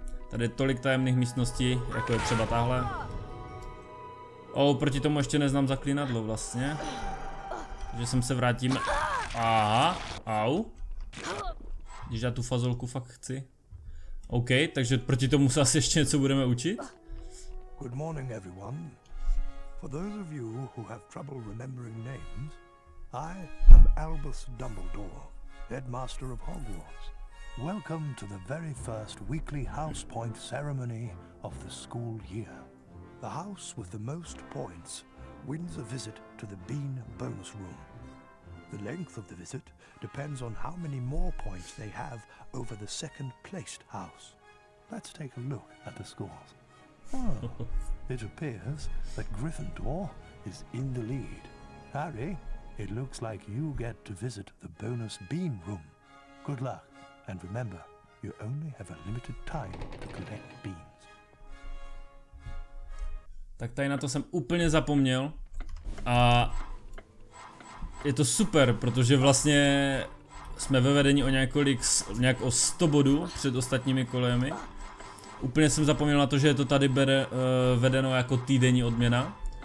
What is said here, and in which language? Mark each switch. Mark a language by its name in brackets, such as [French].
[Czech] Tady je tolik tajemných místností, jako je třeba tahle. O, proti tomu ještě neznám zaklínadlo vlastně. Že sem se vrátím. Aha, au. Když já tu fazolku fakt chci. OK, takže proti tomu se asi ještě něco budeme učit. [English] Good morning, everyone. For those of you who have trouble remembering names, I am Albus Dumbledore, headmaster of Hogwarts. Welcome to the very first weekly house point ceremony of the school year. The house with the most points wins a visit to the Bean bonus room. The length of the visit depends on how many more points they have over the second placed house. Let's take a look at the scores. Oh, it appears that Gryffindor is in the lead. Harry, it looks like you get to visit the bonus bean room. Good luck, and remember, you only have a limited time to collect beans. [Czech] Tak tady na to jsem úplně zapomněl. A je to super, protože vlastně jsme ve vedení o nějak o 100 bodů před ostatními kolejemi. Úplně jsem zapomněl na to, že je to tady vedeno jako týdenní odměna.